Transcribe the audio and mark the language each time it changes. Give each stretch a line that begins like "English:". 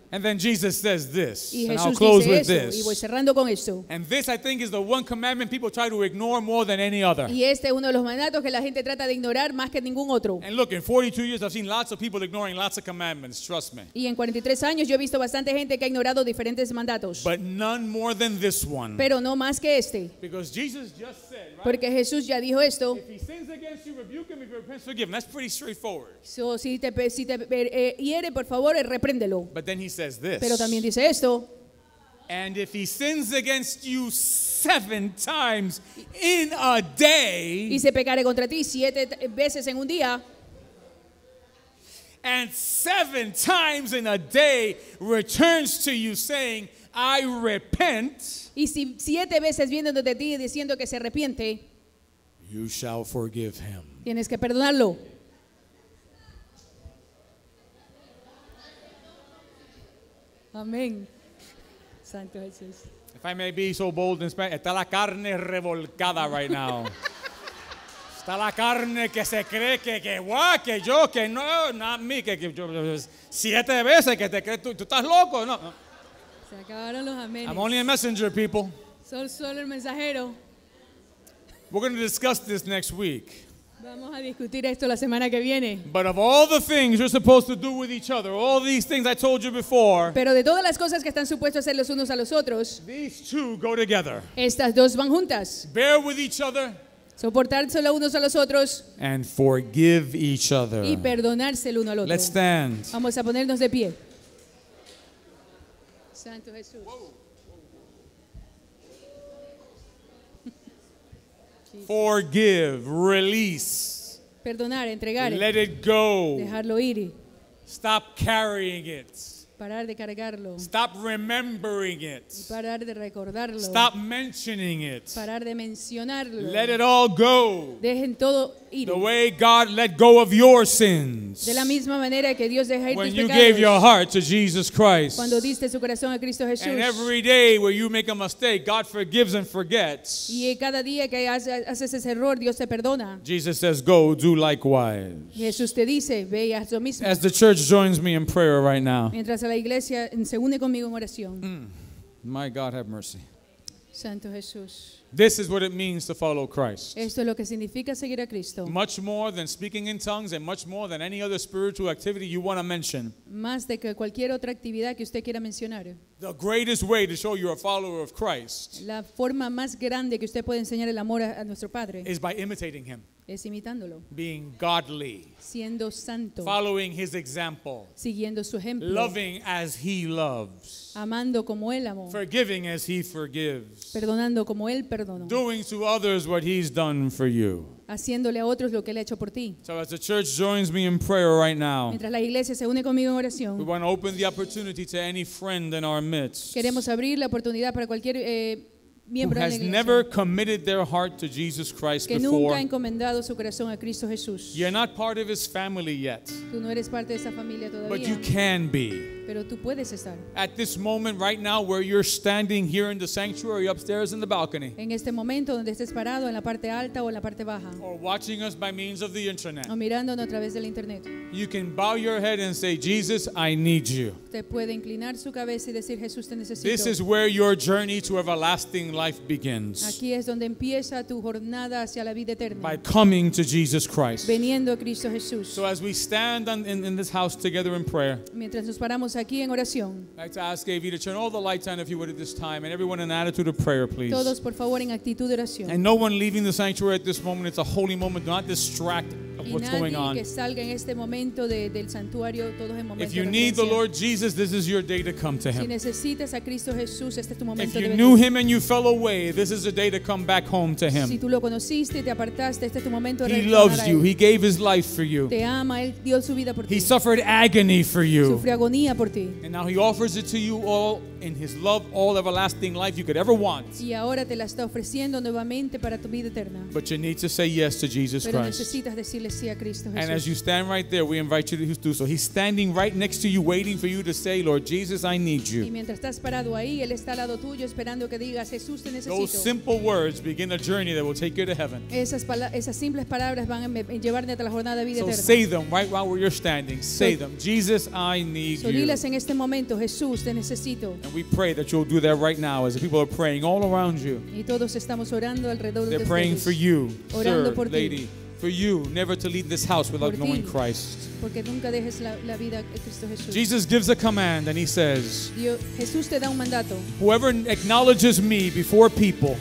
English: And then Jesus says this.
Spanish: Y Jesús
English: and I'll close
Spanish: dice
English: with
Spanish: eso.
English: This.
Spanish: Y voy cerrando con esto.
English: And this, I think, is the one commandment people try to ignore more than any other.
Spanish: Y este es uno de los mandatos que la gente trata de ignorar más que ningún otro.
English: And look, in 42 years, I've seen lots of people ignoring lots of commandments. Trust me.
Spanish: Y en 43 años yo he visto bastante gente que ha ignorado diferentes mandatos.
English: But none more than this one.
Spanish: Pero no más que este.
English: Because Jesus just said, right?
Spanish: Porque Jesús ya dijo esto.
English: If he sins against you, rebuke him. If he repents, forgive him. That's pretty straightforward.
Spanish: So si te hiere, por favor, repréndelo.
English: But then he said. This.
Spanish: Pero también dice esto.
English: And if he sins against you 7 times in a day,
Spanish: y se pecare contra ti 7 veces en un día,
English: and 7 times in a day returns to you saying, I repent,
Spanish: y si 7 veces viene donde ti diciendo que se arrepiente,
English: you shall forgive him.
Spanish: Tienes que perdonarlo. Amén. Santo Jesús.
English: If I may be so bold in Spanish,
Spanish: está la carne revolcada
English: right now.
Spanish: Está la carne que se cree que guau, que yo, que no,
English: not me,
Spanish: que yo, 7 veces que te crees, tú estás loco, no. Se acabaron los amenes.
English: I'm only a messenger, people.
Spanish: Solo el mensajero.
English: We're going to discuss this next week.
Spanish: Vamos a discutir esto la semana que viene.
English: But of all the things you're supposed to do with each other, all these things I told you before,
Spanish: pero de todas las cosas que están supuestos hacer los unos a los otros,
English: these two go together.
Spanish: Estas dos van juntas.
English: Bear with each other.
Spanish: Soportarse los unos a los otros.
English: And forgive each other.
Spanish: Y perdonarse el uno al otro.
English: Let's stand.
Spanish: Vamos a ponernos de pie. Santo Jesús.
English: Forgive, release.
Spanish: Perdonar, entregar.
English: Let it go.
Spanish: Dejarlo ir.
English: Stop carrying it.
Spanish: Parar de cargarlo.
English: Stop remembering it.
Spanish: Parar de recordarlo.
English: Stop mentioning it.
Spanish: Parar de mencionarlo.
English: Let it all go.
Spanish: Dejen todo ir.
English: The way God let go of your sins.
Spanish: De la misma manera que Dios deja ir tus pecados.
English: When you gave your heart to Jesus Christ.
Spanish: Cuando diste su corazón a Cristo Jesús.
English: And every day where you make a mistake, God forgives and forgets.
Spanish: Y cada día que haces ese error, Dios te perdona.
English: Jesus says, "Go, do likewise."
Spanish: Jesús te dice, ve y haz lo mismo.
English: As the church joins me in prayer right now.
Spanish: A la iglesia se une conmigo en oración.
English: My God, have mercy.
Spanish: Santo Jesús.
English: This is what it means to follow Christ.
Spanish: Esto es lo que significa seguir a Cristo.
English: Much more than speaking in tongues and much more than any other spiritual activity you want to mention.
Spanish: Más de que cualquier otra actividad que usted quiera mencionar.
English: The greatest way to show you're a follower of Christ.
Spanish: La forma más grande que usted puede enseñar el amor a nuestro Padre.
English: Is by imitating him.
Spanish: Es imitándolo.
English: Being godly.
Spanish: Siendo santo.
English: Following his example.
Spanish: Siguiendo su ejemplo.
English: Loving as he loves.
Spanish: Amando como él amó.
English: Forgiving as he forgives.
Spanish: Perdonando como él perdonó.
English: Doing to others what he's done for you.
Spanish: Haciéndole a otros lo que él ha hecho por ti.
English: So as the church joins me in prayer right now.
Spanish: Mientras la iglesia se une conmigo en oración.
English: We want to open the opportunity to any friend in our midst.
Spanish: Queremos abrir la oportunidad para cualquier
English: who has never committed their heart to Jesus Christ
Spanish: que
English: before.
Spanish: Nunca ha encomendado su corazón a Cristo Jesús.
English: You're not part of his family yet.
Spanish: Tú no eres parte de esa familia todavía.
English: But you can be.
Spanish: Pero tú puedes estar.
English: At this moment right now where you're standing here in the sanctuary upstairs in the balcony.
Spanish: En este momento donde estés parado en la parte alta o en la parte baja.
English: Or watching us by means of the internet.
Spanish: O mirándonos a través del internet.
English: You can bow your head and say, Jesus, I need you.
Spanish: Te puede inclinar su cabeza y decir, Jesús, te necesito.
English: This is where your journey to everlasting life begins.
Spanish: Aquí es donde empieza tu jornada hacia la vida eterna.
English: By coming to Jesus Christ.
Spanish: Viniendo a Cristo Jesús.
English: So as we stand in this house together in prayer.
Spanish: Mientras nos paramos aquí en oración.
English: I'd like to ask AV to turn all the lights on if you would at this time and everyone in attitude of prayer, please.
Spanish: Todos, por favor, en actitud de oración.
English: And no one leaving the sanctuary at this moment. It's a holy moment. Do not distract of what's going on.
Spanish: Que salga en este momento del santuario, todos en momento.
English: If you need the Lord Jesus, this is your day to come to Him.
Spanish: Si necesitas a Cristo Jesús, este es tu momento.
English: If you knew Him and you fell away, this is a day to come back home to Him.
Spanish: Si tú lo conociste, te apartaste, este es tu momento.
English: He loves you. He gave His life for you.
Spanish: Te ama. Él dio su vida por ti.
English: He suffered agony for you.
Spanish: Sufrió agonía por ti.
English: And now He offers it to you all in His love, all everlasting life you could ever want.
Spanish: Y ahora te la está ofreciendo nuevamente para tu vida eterna.
English: But you need to say yes to Jesus
Spanish: Pero
English: Christ.
Spanish: Necesitas decirle sí a Cristo Jesús.
English: And as you stand right there, we invite you to do so. He's standing right next to you, waiting for you to say, Lord Jesus, I need you.
Spanish: Y mientras estás parado ahí, Él está al lado tuyo, esperando que digas, Jesús, te necesito.
English: Those simple words begin a journey that will take you to heaven.
Spanish: Esas simples palabras van a llevarte a la jornada de vida eterna.
English: So say them right while you're standing. Say them, Jesus, I need you.
Spanish: Dilas en este momento, Jesús, te necesito.
English: And we pray that you'll do that right now as the people are praying all around you.
Spanish: Y todos estamos orando alrededor de
English: They're praying for you, sir,
Spanish: por
English: lady.
Spanish: Ti.
English: For you never to leave this house without knowing Christ.
Spanish: Porque nunca dejes la vida de Cristo Jesús.
English: Jesus gives a command and he says,
Spanish: Jesús te da un mandato.
English: Whoever acknowledges me before people,